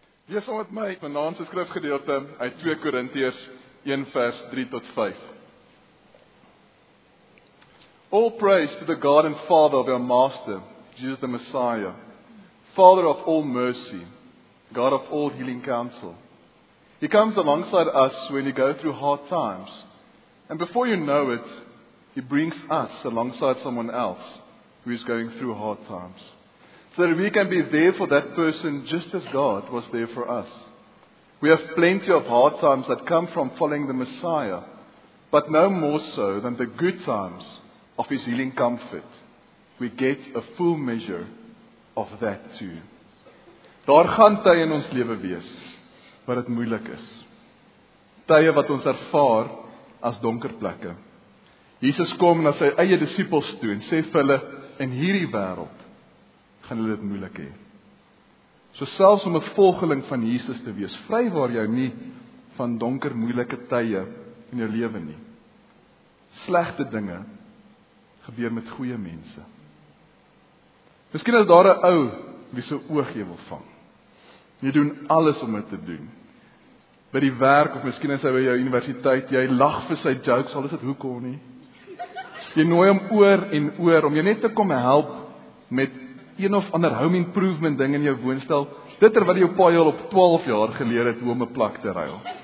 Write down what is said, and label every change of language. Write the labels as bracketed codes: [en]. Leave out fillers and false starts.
[af] Wees saam met my vanaand se skrifgedeelte uit 2 Korintiërs 1 vers 3 tot 5. [en] All praise to the God and Father of our Master, Jesus the Messiah, Father of all mercy, God of all healing counsel. He comes alongside us when you go through hard times, and before you know it, He brings us alongside someone else who is going through hard times, so that we can be there for that person just as God was there for us. We have plenty of hard times that come from following the Messiah, but no more so than the good times of His healing comfort. We get a full measure of that too. [af] Daar gaan tye in ons lewe wees, wat dit moeilik is. Tye wat ons ervaar as donker plekke. Jesus kom na sy eie disippels toe en sê vir hulle, in hierdie wêreld gaan hulle dit moeilik hê. So selfs om 'n volgeling van Jesus te wees, vrywaar jou nie van donker moeilike tye in jou lewe nie. Slegte dinge gebeur met goeie mense. Miskien is daar 'n ou wie se oog jy wil vang. Jy doen alles om dit te doen. By die werk of miskien is hy by jou universiteit, jy lag vir sy jokes, al is dit hoekom nie. Jy nooi hom oor en oor om jou net te kom help met een of ander home improvement ding in jou woonstel, dit terwyl jou pa jou al op 12 jaar geleer het hoe om 'n plak te ruil.